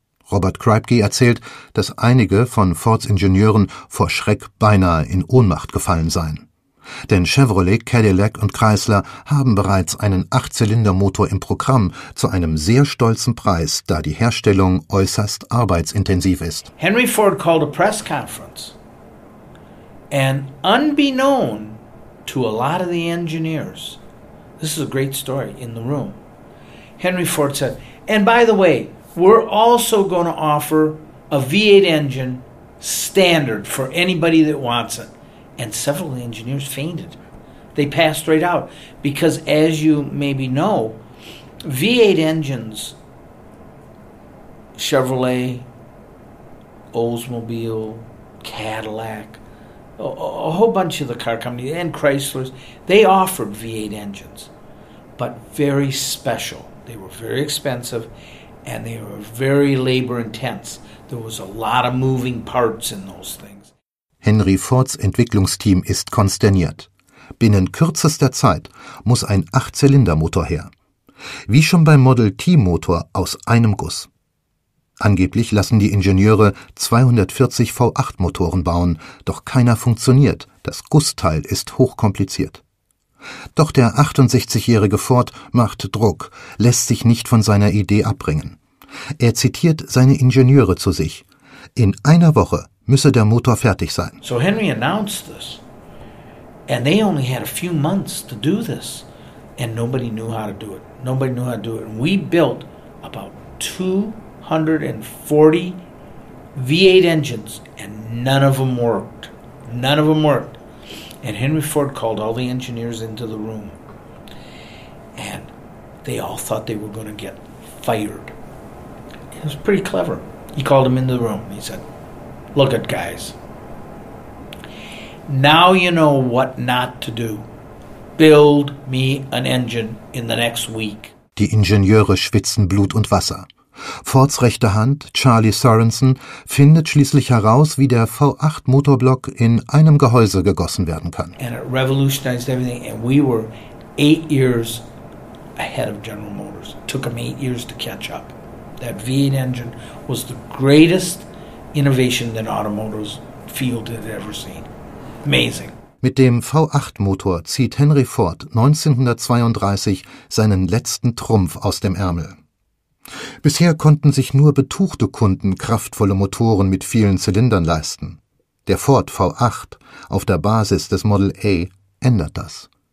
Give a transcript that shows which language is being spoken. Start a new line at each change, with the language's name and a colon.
German: Robert Kripke erzählt, dass einige von Fords Ingenieuren vor Schreck beinahe in Ohnmacht gefallen seien. Denn Chevrolet, Cadillac und Chrysler haben bereits einen 8-Zylinder-Motor im Programm zu einem sehr stolzen Preis, da die Herstellung äußerst arbeitsintensiv ist.
English: Henry Ford called a press conference, and unbeknown to a lot of the engineers, this is a great story in the room, Henry Ford said, and by the way, we're also going to offer a V8 engine standard for anybody that wants it. And several of the engineers fainted. They passed right out. Because as you maybe know, V8 engines, Chevrolet, Oldsmobile, Cadillac, a whole bunch of the car companies, and Chrysler's, they offered V8 engines. But very special. They were very expensive, and they were very labor intense. There was a lot of moving parts in those things.
German: Henry Fords Entwicklungsteam ist konsterniert. Binnen kürzester Zeit muss ein 8-Zylinder-Motor her. Wie schon beim Model T-Motor aus einem Guss. Angeblich lassen die Ingenieure 240 V8-Motoren bauen, doch keiner funktioniert, das Gussteil ist hochkompliziert. Doch der 68-jährige Ford macht Druck, lässt sich nicht von seiner Idee abbringen. Er zitiert seine Ingenieure zu sich. In einer Woche müsse der Motor fertig sein.
English: So Henry announced this, and they only had a few months to do this, and nobody knew how to do it. Nobody knew how to do it. And we built about 240 V8 engines, and none of them worked. None of them worked. And Henry Ford called all the engineers into the room, and they all thought they were going to get fired. It was pretty clever. He called them into the room. He said, look at guys. Now you know what not to do. Build me an engine in the next week.
German: Die Ingenieure schwitzen Blut und Wasser. Fords rechte Hand, Charlie Sorensen, findet schließlich heraus, wie der V8-Motorblock in einem Gehäuse gegossen werden kann.
English: And it revolutionized everything, and we were 8 years ahead of General Motors. It took them 8 years to catch up. That V8 engine was the greatest innovation that automotive field had ever seen. Amazing.
German: Mit dem V8-Motor zieht Henry Ford 1932 seinen letzten Trumpf aus dem Ärmel. Bisher konnten sich nur betuchte Kunden kraftvolle Motoren mit vielen Zylindern leisten. Der Ford V8 auf der Basis des Model A ändert das.